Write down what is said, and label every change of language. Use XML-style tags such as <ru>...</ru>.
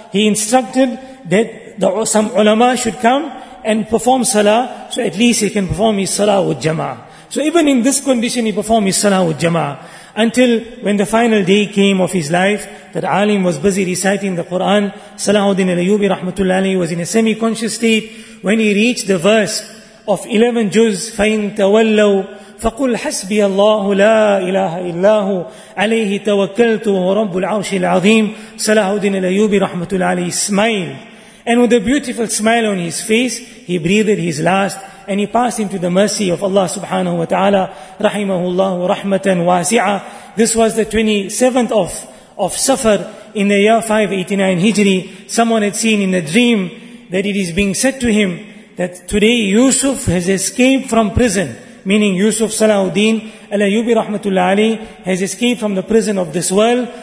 <en>He instructed that some ulama should come and perform salah, so at least he can perform his salah with jama'ah. So even in this condition, he performed his salah with jama'ah. Until when the final day came of his life, that alim was busy reciting the Quran, Salahuddin al-Ayyubi rahmatullah alayhi was in a semi-conscious state. When he reached the verse of 11 juz,</en> <ar>فَإِن تَوَلَّوْا فَقُلْ حَسْبِيَ اللَّهُ لَا إِلَهَ إِلَّهُ عَلَيْهِ تَوَكَّلْتُ وَرَبُّ الْعَرْشِ الْعَظِيمِ</ar> <en>Salahuddin al-Ayyubi rahmatullah alayhi smiled. And with a beautiful smile on his face, he breathed his last, and he passed into the mercy of Allah subhanahu wa ta'ala, rahimahullahu rahmatan wasi'a. This was the 27th of Safar, in the year 589 Hijri, someone had seen in a dream that it is being said to him that today Yusuf has escaped from prison, meaning Yusuf Salahuddin Alayyubi Rahmatullah Ali has escaped from the prison of this world.</en>